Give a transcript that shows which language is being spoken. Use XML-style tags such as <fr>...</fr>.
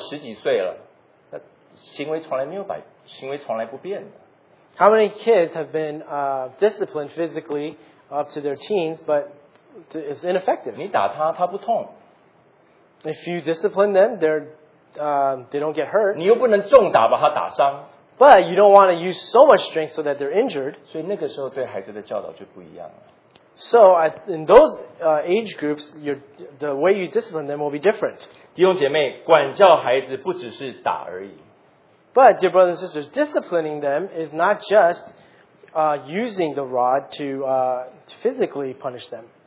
<zh>有多少孩子打到了十几岁了， 行为从来不变的。</zh> <en>How many kids have been disciplined physically up to their teens, but it's ineffective?</en> <zh>你打他，他不痛。</zh> <en>If you discipline them, they don't get hurt.</en> <zh>你又不能重打把他打伤。</zh> <en>But you don't want to use so much strength so that they're injured.</en> <zh>所以那个时候对孩子的教导就不一样了。</zh> <en>So in those age groups, the way you discipline them will be different.</en> <zh>弟兄姐妹，管教孩子不只是打而已。</zh> <en>But, dear brothers and sisters, disciplining them is not just using the rod to physically punish them.</en>